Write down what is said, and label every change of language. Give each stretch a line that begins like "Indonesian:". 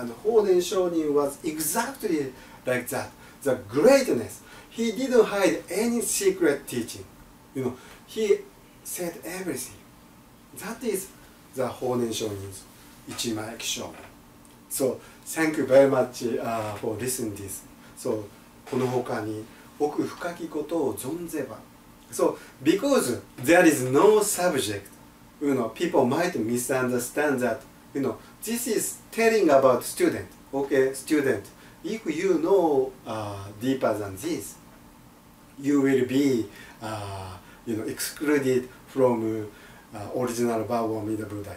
English: And Honen Shonin was exactly like that. The greatness. He didn't hide any secret teaching. You know, he said everything. That is the Honen Shonin's Ichimai Kishomon. So, thank you very much for listening to this.
Japanese: So, この他に奥深きことを存ぜば。
English: So, because there is no subject, you know, people might misunderstand that, you know, this is telling about student, okay, student. If you know deeper than this, you will be, you know, excluded from original Bhava Amida Buddha.